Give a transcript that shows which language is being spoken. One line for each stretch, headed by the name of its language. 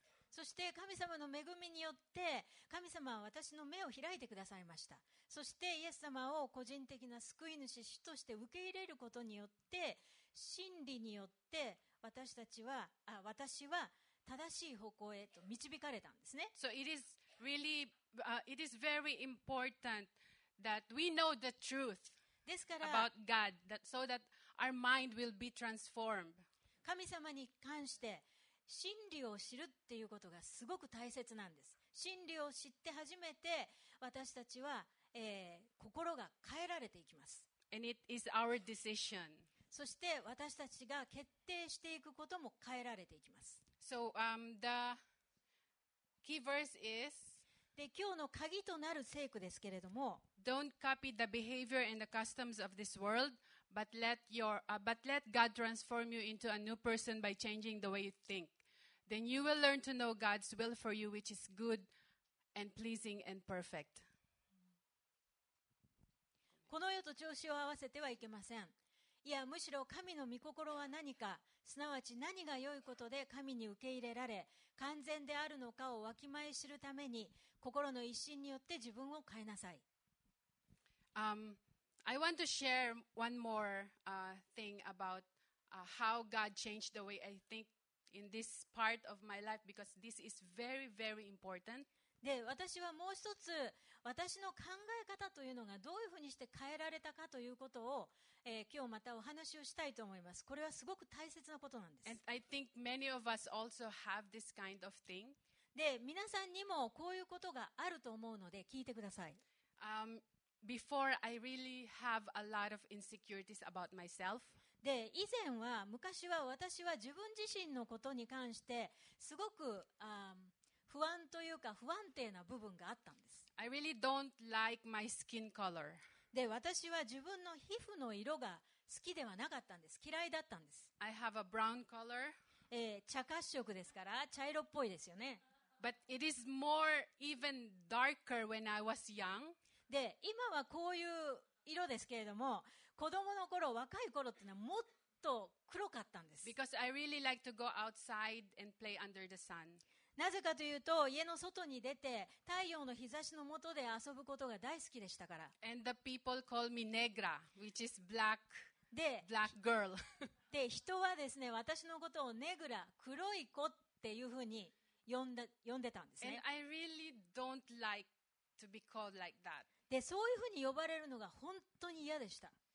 Japanese: そして神様の恵みによって神様は私の目を開いてくださいました。そしてイエス様を個人的な救い主主として受け入れることによって真理によって私は正しい方向へと導かれたんですね。
English: So it is really, it is very important that we know the truth about God that, so that our mind will be transformed.
Japanese: 神様に関して真理を知るっていうことがすごく大切なんです。真理を知って初めて私たちは、心が変えられていきます。
English: And it is our decision.
Japanese: そして私たちが決定していくことも変えられていきます。
English: So, the key verse is,
Japanese: で今日の鍵となる聖句ですけれども、
English: Don't copy the behavior and the customs of this worldBut let God transform you into a new person by changing the way you think. Then you will learn to know God's will for you, which is good and pleasing and perfect.
Japanese: この世と調子を合わせてはいけません。いや、むしろ神の御心は何か、すなわち何が良いことで神に受け入れられ、完全であるのかをわきまえ知るために、心の一心によって自分を変えなさい。
English: I want to share one more thing about how God changed the way I think in this part of my life because this is very, very important.
Japanese: で、私はもう一つ私の考え方というのがどういうふうにして変えられたかということを、今日またお話をしたいと思います。これはすごく大切なことなんです。
English: And I think many of us also have this kind of thing.
Japanese: で、皆さんにもこういうことがあると思うので聞いてください。
English: Before, I really have a lot of insecurities about myself.
Japanese: で、以前は昔は私は自分自身のことに関してすごく不安というか不安定な部分があったんです。
English: I really don't like my skin color.
Japanese: で、私は自分の皮膚の色が好きではなかったんです。嫌いだったんです。
English: I have a brown color.
Japanese: 茶褐色ですから茶色っぽいですよね。
English: But it is more even darker when I was young.
Japanese: で今はこういう色ですけれども子供の頃若い頃っていうのはもっと黒かったんです。
English: Because I really like to go outside and play under the sun.
Japanese: なぜかというと家の外に出て太陽の日差しの下で遊ぶことが大好きでしたから。
English: And the people call me Negra, which is black, girl.
Japanese: で人はですね私のことをネグラ黒い子っていうふうに呼んでたんですね。
English: And I really don't likeTo be called like that.
Japanese: で、そういうふうに呼ばれるのが本当に嫌でした。